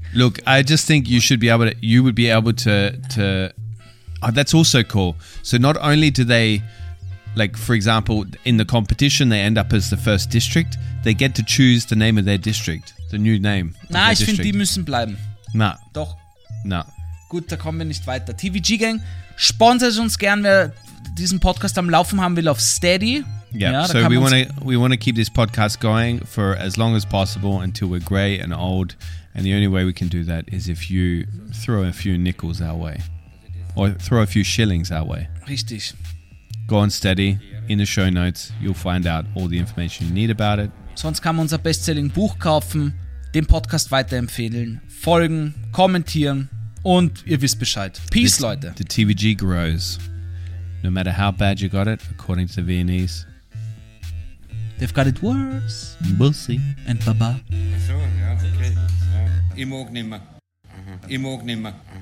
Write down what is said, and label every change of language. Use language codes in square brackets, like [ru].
[en] Look, I just think you should be able to, you would be able to oh, that's also cool. So not only do they, like, for example, in the competition, they end up as the first district, they get to choose the name of their district, the new name. [de] Na, ich finde, die müssen bleiben. Na. Doch. Na. Gut, da kommen wir nicht weiter. TVG Gang, sponsert uns gern, wer diesen Podcast am Laufen haben will, auf Steady. [en] Yep. Ja, so we want to keep this podcast going for as long as possible until we're gray and old, and the only way we can do that is if you throw a few nickels our way or throw a few shillings our way. [de] Richtig. [en] Go on Steady, in the show notes you'll find out all the information you need about it. [de] Sonst kann man unser bestselling Buch kaufen, den Podcast weiterempfehlen, folgen, kommentieren und ihr wisst Bescheid. [en] Peace, the, [de] Leute. [en] The TVG grows no matter how bad you got it, according to the Viennese. They've got it worse. We'll see. And Baba. So, yeah, okay. [de] Ich mag nimmer. Ich mag nimmer.